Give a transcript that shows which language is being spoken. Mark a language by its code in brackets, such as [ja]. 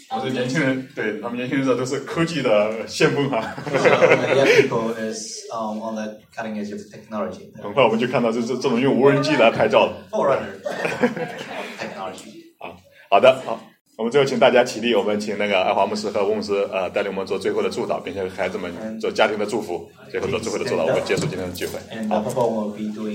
[zh] 年轻人，对他们年轻人都是科技的先锋啊。 [en] People is on the cutting edge of technology. [zh] 很快我们就看到就是这种用无人机来拍照的。 [en] Forerunner technology. [zh] 好的，好。我们最后请大家起立，我们请那个爱华牧师和翁牧师带领我们做最后的祝祷，并且孩子们做家庭的祝福，最后做最后的祝祷，我们结束今天的聚会。 [en] And Papa will be doing.